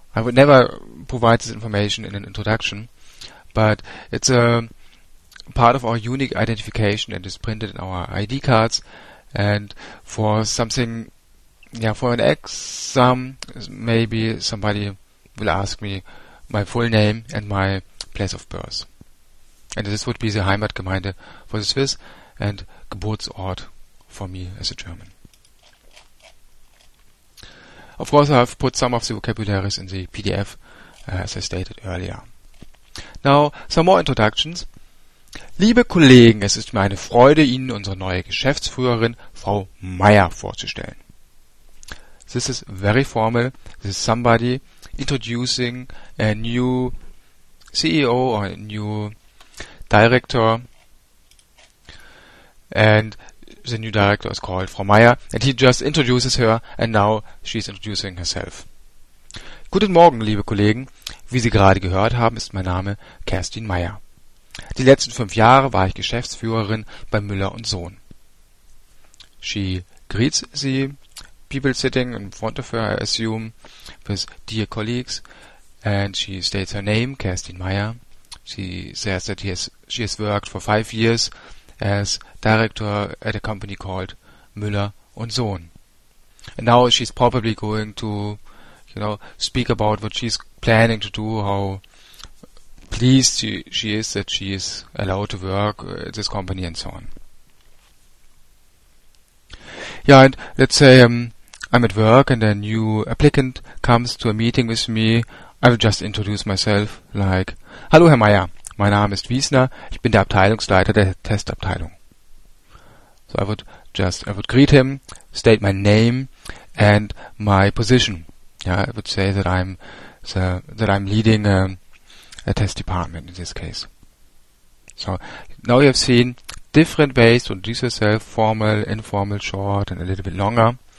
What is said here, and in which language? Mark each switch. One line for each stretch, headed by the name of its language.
English: I would never provide this information in an introduction, but it's a part of our unique identification and is printed in our ID cards, and for something, yeah, for an exam, maybe somebody will ask me my full name and my place of birth. And this would be the Heimatgemeinde for the Swiss and Geburtsort for me as a German. Of course, I have put some of the vocabularies in the PDF, as I stated earlier. Now, some more introductions.
German: Liebe Kollegen, es ist mir eine Freude, Ihnen unsere neue Geschäftsführerin, Frau Meyer, vorzustellen.
English: This is very formal. This is somebody introducing a new CEO or a new director. And the new director is called Frau Meyer. And he just introduces her and now she's introducing herself.
German: Guten Morgen, liebe Kollegen. Wie Sie gerade gehört haben, ist mein Name Kerstin Meyer. Die letzten 5 Jahre war ich Geschäftsführerin bei Müller & Sohn.
English: She greets Sie. People sitting in front of her, I assume, with dear colleagues. And she states her name, Kerstin Meyer. She says that she has worked for 5 years as director at a company called Müller & Sohn. And now she's probably going to, you know, speak about what she's planning to do, how pleased she is that she is allowed to work at this company and so on. Yeah, and let's say I'm at work and a new applicant comes to a meeting with me. I will just introduce myself like, "Hallo Herr Meyer, mein Name ist Wiesner, ich bin der Abteilungsleiter der Testabteilung." So I would greet him, state my name and my position. Yeah, I would say that I'm leading a test department in this case. So now you have seen different ways to introduce yourself, formal, informal, short and a little bit longer.